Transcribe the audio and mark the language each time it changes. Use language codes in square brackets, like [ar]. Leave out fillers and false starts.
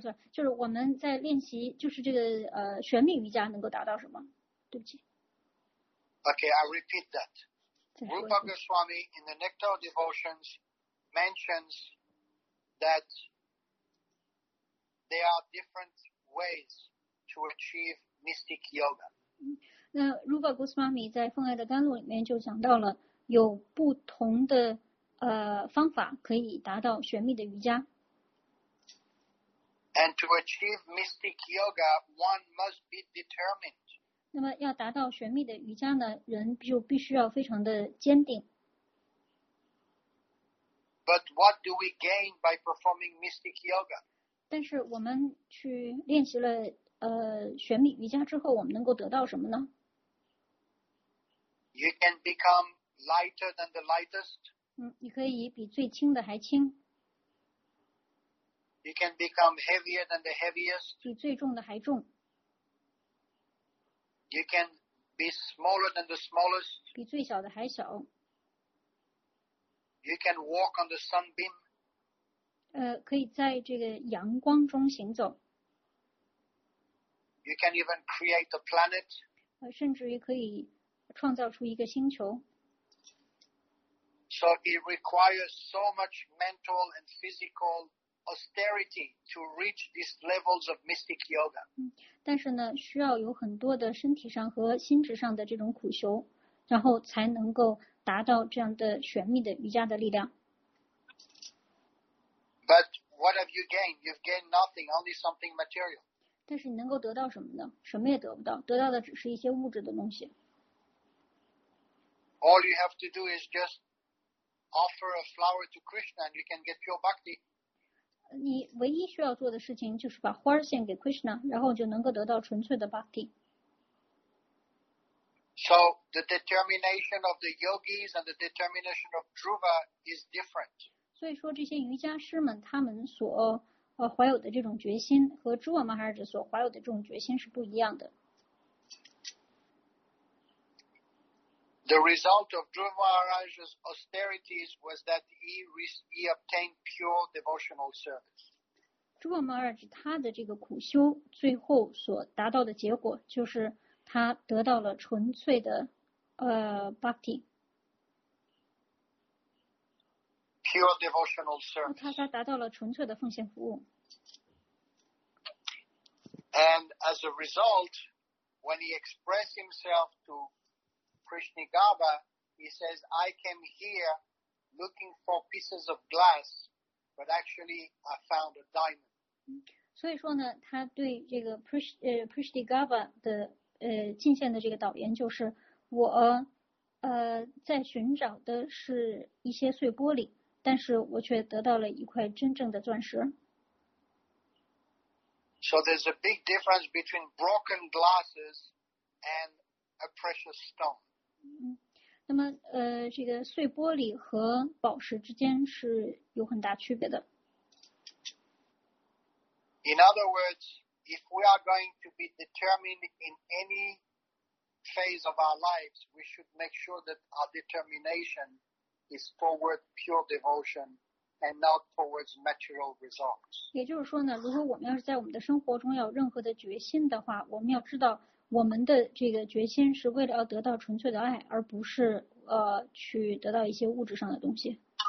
[zh] 就是我们在练习，就是这个玄秘瑜伽能够达到什么？对不起。 [en] Okay, I repeat that. Rupa Goswami in the Nectar of Devotions mentions that there are different ways to achieve mystic yoga. [zh] 那 Rupa Goswami 在奉爱的甘露里面就讲到了有不同的方法可以达到玄秘的瑜伽。 [en] And to achieve mystic yoga, one must be determined. [zh] 那么要达到玄秘的瑜伽呢，人就必须要非常的坚定。 [en] But what do we gain by performing mystic yoga? [zh] 但是我们去练习了玄秘瑜伽之后，我们能够得到什么呢？ [en] You can become lighter than the lightest. [zh] 你可以比最轻的还轻。 [en] You can become heavier than the heaviest. [zh] 比最重的还重。 [en] You can be smaller than the smallest. [zh] 比最小的还小。 [en] You can walk on the sunbeam. [zh] 可以在这个阳光中行走。 [en] You can even create a planet. [zh] 甚至于可以创造出一个星球。 [en] So it requires so much mental and physical austerity to reach these levels of mystic yoga. [zh] 但是呢，需要有很多的身体上和心智上的这种苦修，然后才能够达到这样的玄秘的瑜伽的力量。 [en] But what have you gained? You've gained nothing, only something material. [zh] 但是你能够得到什么呢？什么也得不到，得到的只是一些物质的东西。 [en] All you have to do is just offer a flower to Krishna, and you can get pure bhakti. [zh] 你唯一需要做的事情就是把花献给 Krishna， 然后就能够得到纯粹的 Bhakti。 [en] So the determination of the yogis and the determination of Dhruva is different. [zh] 所以说这些瑜伽师们他们所怀有的这种决心和 Dhruva Maharaj 所怀有的这种决心是不一样的。 [en] The result of Dhruva Maharaj's austerities was that he obtained pure devotional service. [zh] Dhruva Maharaj 他的这个苦修最后所达到的结果就是他得到了纯粹的Bhakti. [en] Pure devotional service. [zh] 他达到了纯粹的奉献服务。 [en] And as a result, when he expressed himself toKrishnigarbha, he says, I came here looking for pieces of glass, but actually I found a diamond. [zh] 所以说呢，他对这个 Krishnigarbha 的进献的这个导言就是，我在寻找的是一些碎玻璃，但是我却得到了一块真正的钻石。 [en] So there's a big difference between broken glasses and a precious stone. [zh] 那么这个碎玻璃和宝石之间是有很大区别的。 [en] In other words, if we are going to be determined in any phase of our lives, we should make sure that our determination is toward pure devotion and not towards material results. [zh] 也就是说呢，如果我们要是在我们的生活中要有任何的决心的话，我们要知道我们的这个决心是为了要得到纯粹的爱，而不是去得到一些物质上的东西。